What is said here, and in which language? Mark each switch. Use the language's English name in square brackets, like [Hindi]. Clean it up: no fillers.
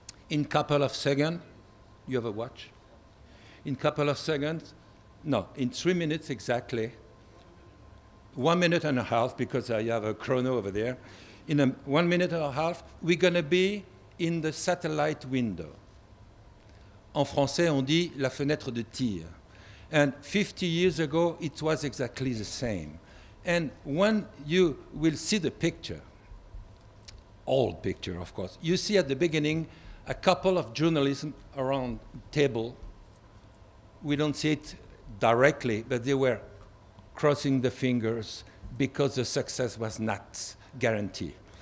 [English] In couple of seconds, you have a watch? In 3 minutes exactly, 1 minute and a half, because I have a chrono over there. In 1 minute and a half, we're going to be in the satellite window. [French] En français, on dit la fenêtre de tir. [English] And 50 years ago, it was exactly the same. And when you will see the picture, old picture, of course, you see at the beginning a couple of journalists around the table. We don't see it directly, but they were crossing the fingers because the success was not guaranteed.